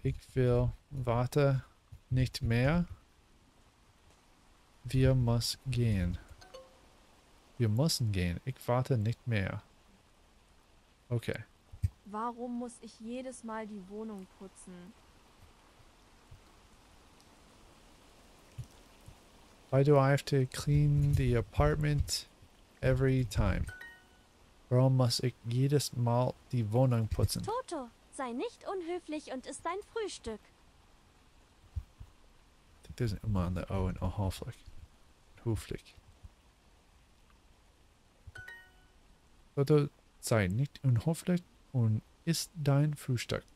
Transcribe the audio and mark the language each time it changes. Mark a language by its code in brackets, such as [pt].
[de] Ich will warte nicht mehr. Wir müssen gehen. Wir müssen gehen. Ich warte nicht mehr. Okay. Warum muss ich jedes Mal die Wohnung putzen? [en] Why do I have to clean the apartment every time? [de] Warum muss ich jedes Mal die Wohnung putzen? Toto, sei nicht unhöflich und iss dein Frühstück. [en] I think there's an Umma on the O in unhöflich. [de] Höflich. Toto, sei nicht unhöflich und iss dein Frühstück.